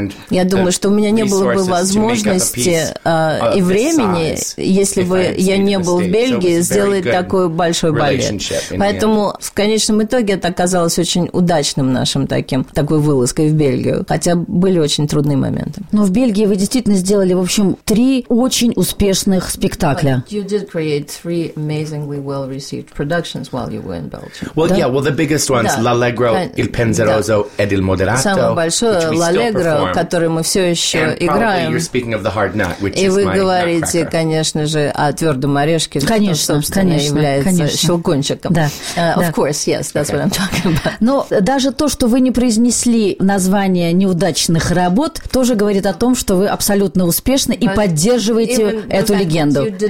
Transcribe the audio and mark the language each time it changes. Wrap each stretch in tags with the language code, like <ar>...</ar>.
<ru>Я думаю, что у меня не было бы возможности и времени, если бы я не был в Бельгии, сделать такой большой балет. Поэтому в конечном итоге это оказалось очень удачным нашим такой вылазкой в Бельгию. Хотя были очень трудные моменты. Но в Бельгии вы действительно сделали, в общем, 3 очень успешных спектакля.</ru> <en>You did create 3 amazingly well-received productions while you were in Belgium. Well, yeah, well, the biggest ones, L'Allegro, Il Penseroso, Ed Il Moderato.</en> <ru>Самое большое, L'Allegro, который мы все еще играем. И вы говорите, конечно же, о «Твердом орешке», конечно, что, собственно, конечно, является конечно. Щелкунчиком. Да.</ru> <en>Of course, yes, that's what I'm talking about.</en> <ru>Но даже то, что вы не произнесли название неудачных работ, тоже говорит о том, что вы абсолютно успешны и поддерживаете эту легенду.</ru>